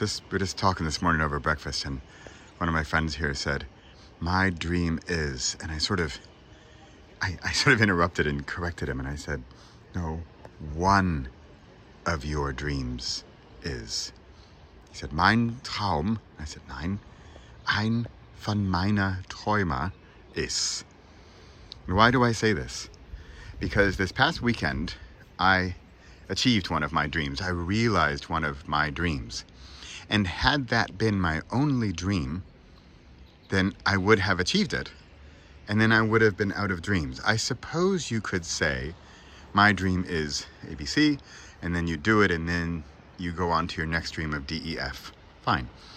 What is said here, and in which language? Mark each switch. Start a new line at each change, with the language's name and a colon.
English: We're just talking this morning over breakfast, and one of my friends here said, my dream is... And I sort of interrupted and corrected him, and I said, no, one of your dreams is... He said,
German: mein Traum,
English: I said,
German: nein, ein von meiner Träume ist.
English: And why do I say this? Because this past weekend, I achieved one of my dreams. I realized one of my dreams. And had that been my only dream, then I would have achieved it. And then I would have been out of dreams. I suppose you could say, my dream is ABC, and then you do it, and then you go on to your next dream of DEF. Fine.